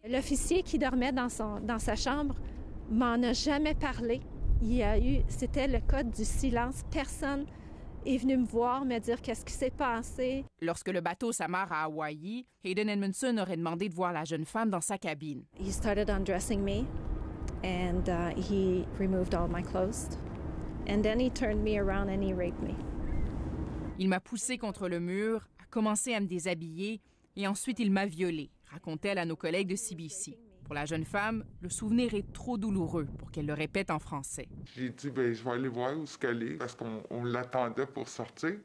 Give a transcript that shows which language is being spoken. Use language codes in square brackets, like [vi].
[fr] L'officier qui dormait dans sa chambre m'en a jamais parlé. Il y a eu... C'était le code du silence. Personne est venu me voir, me dire qu'est-ce qui s'est passé. Lorsque le bateau s'amarre à Hawaï, Hayden Edmundson aurait demandé de voir la jeune femme dans sa cabine. [en] He started undressing me and he removed all my clothes. And then he turned me around and he raped me. [fr] Il m'a poussée contre le mur, a commencé à me déshabiller et ensuite il m'a violée, raconte-t-elle à nos collègues de CBC. Pour la jeune femme, le souvenir est trop douloureux pour qu'elle le répète en français. J'ai dit, bien, je vais aller voir où elle est parce qu'on l'attendait pour sortir.